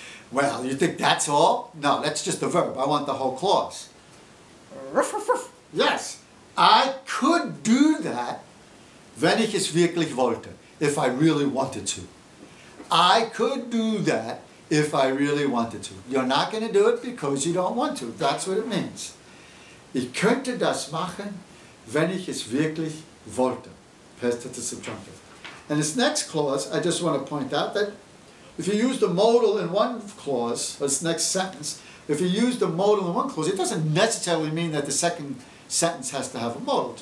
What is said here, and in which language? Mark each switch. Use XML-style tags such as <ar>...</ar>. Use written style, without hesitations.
<en>Well, you think that's all? No, that's just the verb. I want the whole clause. Ruff, ruff, ruff. Yes. I could do that,</en> <de>wenn ich es wirklich wollte,</de> <en>if I really wanted to. I could do that if I really wanted to. You're not going to do it because you don't want to. That's what it means.</en> <de>Ich könnte das machen, wenn ich es wirklich wollte.</de> <en>Past tense subjunctive. And this next clause, I just want to point out that if you use the modal in one clause, this next sentence, if you use the modal in one clause, it doesn't necessarily mean that the second sentence has to have a modal.</en>